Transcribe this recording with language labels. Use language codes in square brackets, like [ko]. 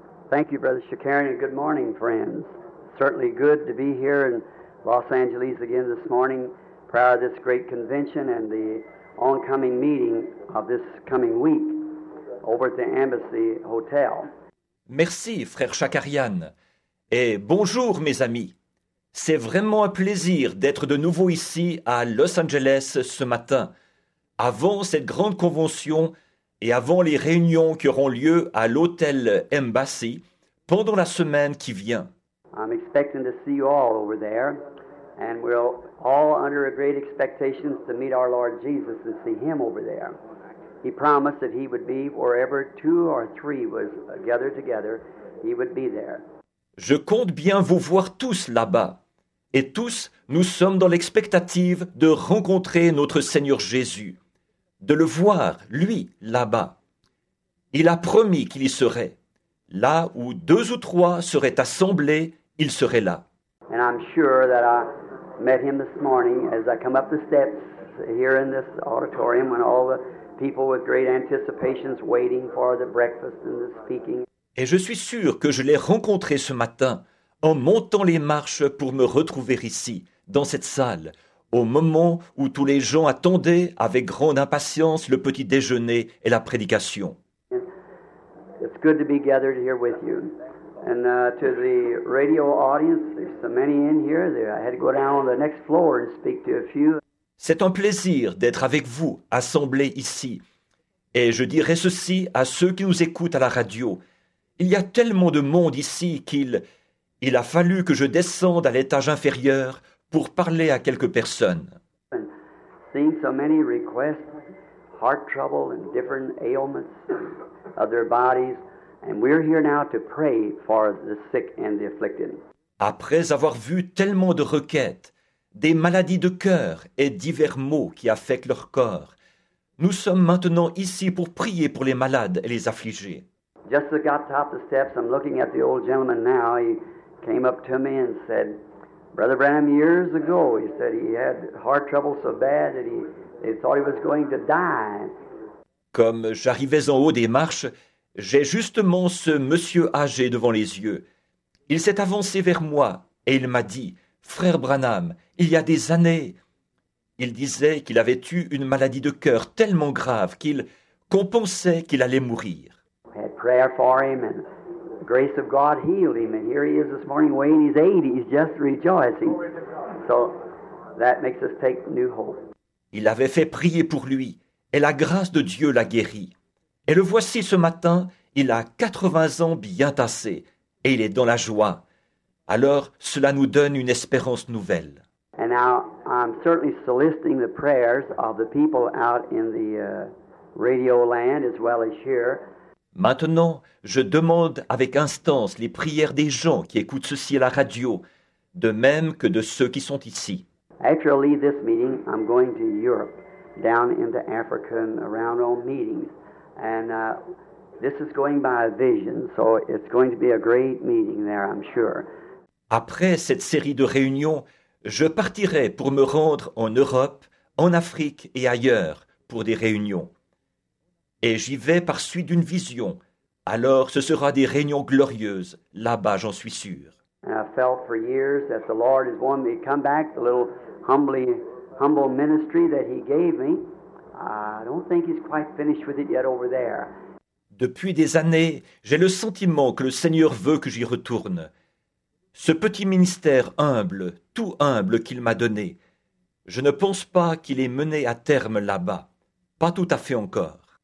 [en] Thank you, Brother Shakarian, and good morning, friends. Certainly good to be here in Los Angeles again this morning prior to this great convention and the oncoming meeting of this coming week over at the Embassy Hotel. [fr] Merci, Frère Shakarian, et bonjour, mes amis. C'est vraiment un plaisir d'être de nouveau ici à Los Angeles ce matin, avant cette grande convention et avant les réunions qui auront lieu à l'hôtel Embassy pendant la semaine qui vient. [en] I'm expecting to see you all over there, and we're all under a great expectation to meet our Lord Jesus and see Him over there. He promised that He would be wherever two or three was gathered together, He would be there. [fr] Je compte bien vous voir tous là-bas, et tous nous sommes dans l'expectative de rencontrer notre Seigneur Jésus. De le voir, lui, là-bas. Il a promis qu'il y serait. Là où deux ou trois seraient assemblés, il serait là. [en] And I'm sure that I met him this morning as I come up the steps here in this auditorium when all the people with great anticipations waiting for the breakfast and the speaking. [fr] Et je suis sûr que je l'ai rencontré ce matin en montant les marches pour me retrouver ici, dans cette salle, au moment où tous les gens attendaient avec grande impatience le petit déjeuner et la prédication. [en] It's good to be gathered here with you. And to the radio audience, there's so many in here, there. I had to go down on the next floor and speak to a few. [fr] C'est un plaisir d'être avec vous, assemblés ici. Et je dirai ceci à ceux qui nous écoutent à la radio. Il y a tellement de monde ici qu'il a fallu que je descende à l'étage inférieur pour parler à quelques personnes. [en] And seeing so many requests, heart trouble and different ailments of their bodies, and we're here now to pray for the sick and the afflicted. [fr] Après avoir vu tellement de requêtes, des maladies de cœur et divers maux qui affectent leur corps, nous sommes maintenant ici pour prier pour les malades et les affligés. [en] Just as I got top the steps, I'm looking at the old gentleman now. He came up to me and said, Brother Branham, years ago, he said he had heart trouble so bad that they thought he was going to die. [fr] Comme j'arrivais en haut des marches, j'ai justement ce monsieur âgé devant les yeux. Il s'est avancé vers moi et il m'a dit, Frère Branham, il y a des années. Il disait qu'il avait eu une maladie de cœur tellement grave qu'on pensait qu'il allait mourir. [en] I had prayer for him and the grace of God healed him. And here he is this morning weighing his 80s, just rejoicing. So that makes us take new hope. [fr] Il avait fait prier pour lui, et la grâce de Dieu l'a guéri. Et le voici ce matin, il a 80 ans bien tassé, et il est dans la joie. Alors, cela nous donne une espérance nouvelle. [en] And now, I'm certainly soliciting the prayers of the people out in the radio land, as well as here. [fr] Maintenant, je demande avec instance les prières des gens qui écoutent ceci à la radio, de même que de ceux qui sont ici. [en] After I leave this meeting, I'm going to Europe, down into Africa and around all meetings. And this is going by a vision, so it's going to be a great meeting there, I'm sure. [fr] Après cette série de réunions, je partirai pour me rendre en Europe, en Afrique et ailleurs pour des réunions. Et j'y vais par suite d'une vision. Alors ce sera des réunions glorieuses, là-bas j'en suis sûr. [en] And I felt for years that the Lord has wanted me to come back, the little humble ministry that He gave me. I don't think He's quite finished with it yet over there. [fr] Depuis des années, j'ai le sentiment que le Seigneur veut que j'y retourne. Ce petit ministère humble, tout humble qu'il m'a donné, Je ne pense pas qu'il ait mené à terme là-bas. Pas tout à fait encore.